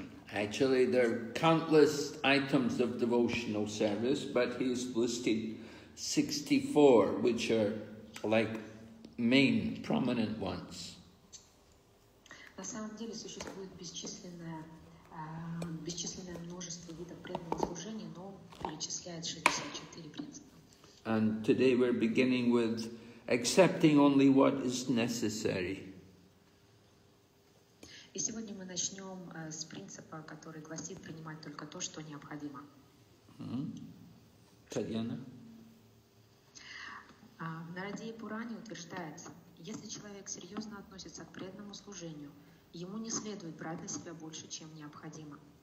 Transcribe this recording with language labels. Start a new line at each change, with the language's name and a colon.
English: Actually, there are countless items of devotional service, but he's listed 64, which are like main, prominent ones.
Russian: На самом деле существует бесчисленное множество видов преданного служения, но перечисляет 64 принципа.
English: And today we're beginning with accepting only what is necessary.
Russian: И сегодня мы начнем с принципа, который гласит принимать только то, что необходимо. Татьяна? В Нарадии Пуране утверждается, если человек серьезно относится к преданному служению, ему не следует брать на себя больше, чем необходимо.